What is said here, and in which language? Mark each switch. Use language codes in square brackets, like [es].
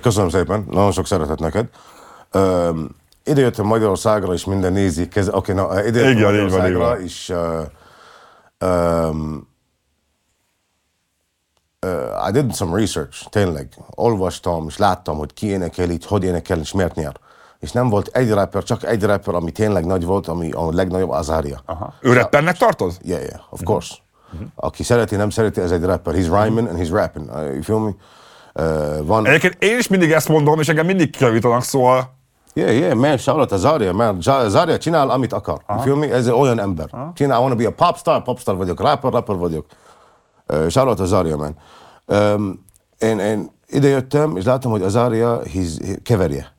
[hu] Köszönöm szépen, nagyon sok szeretet neked. Ide jöttem Magyarországra, és minden nézi, ide jöttem Magyarországra, és [en] I did some research, [hu] tényleg. Olvastam, és láttam, hogy ki énekel itt, hogy énekel, és miért nyer. És nem volt egy rapper, csak egy rapper, ami tényleg nagy volt, ami a legnagyobb, Azaria. Ő rappernek tartoz? [en] Yeah, of course. Mm-hmm. [hu] Aki szereti, nem szereti, ez egy rapper. [en] He's rhyming and he's rapping, you feel me? [hu] Egyébként én is mindig ezt mondom, és engem mindig kijavítanak, szóval... [en] Yeah, man, [hu] Charlotte Azaria, man, Azaria csinál, amit akar, [en] you feel me? [hu] Ez olyan ember. Csinál, [en] I wanna be a popstar [hu] vagyok, rapper vagyok. Charlotte Azaria, man. Én ide jöttem, és láttam, hogy Azaria, keverje.